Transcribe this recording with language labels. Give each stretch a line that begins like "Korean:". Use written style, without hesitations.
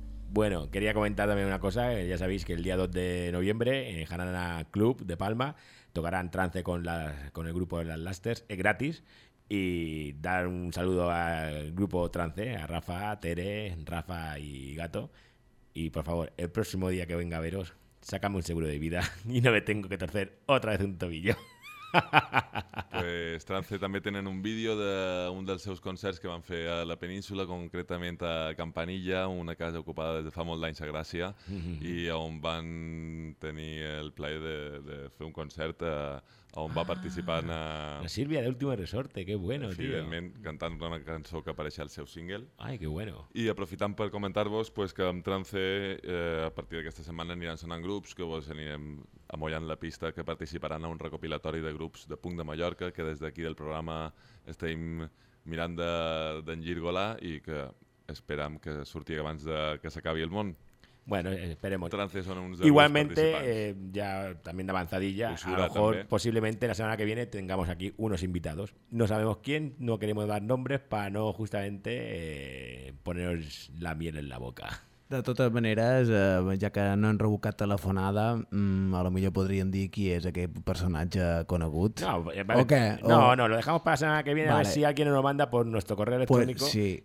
Spanish: Bueno, quería comentar también una cosa. Ya sabéis que el día 2 de noviembre en Jarana Club de Palma tocarán trance con el grupo de las Lasters. Es gratis. Y dar un saludo al grupo trance, a Rafa, Tere, Rafa y Gato. Y por favor, el próximo día que venga a veros, sácame un seguro de vida y no me tengo que torcer otra vez un tobillo.
Catalan: Pues Trance també tenen un vídeo d'un dels seus concerts que van fer a la península, concretament a Campanilla, una casa ocupada des de fa molts anys a Gràcia, i on van tenir el plaer de fer un concert on va participar en... La Sílvia d'Última Resorte,
Spanish: que bueno,
Catalan: tio. Evidentment, cantant una cançó que apareix al seu single.
Spanish: Ai, que bueno.
Catalan: I aprofitant per comentar-vos pues, que amb Trance, a partir d'aquesta setmana aniran sonant grups, que vos anirem amollant la pista, que participaran a un recopilatori de grups de punk de Mallorca, que des d'aquí del programa estem mirant d'engirgolar i que esperam que surti abans de que s'acabi el món.
Spanish: Bueno, esperemos. Trance son unos igualmente, ya también de avanzadilla, Usura, a lo mejor también. Posiblemente la semana que viene tengamos aquí unos invitados. No sabemos quién, no queremos dar nombres para no justamente poneros la miel en la boca.
Catalan: De totes maneres, ja que no han rebocat telefonada, a lo millor podríem dir qui és aquest personatge conegut.
Spanish: No, vale. ¿O qué? No, o... no, lo dejamos para la semana que viene, vale. A ver si alguien nos lo manda por nuestro correo electrónico, pues, sí.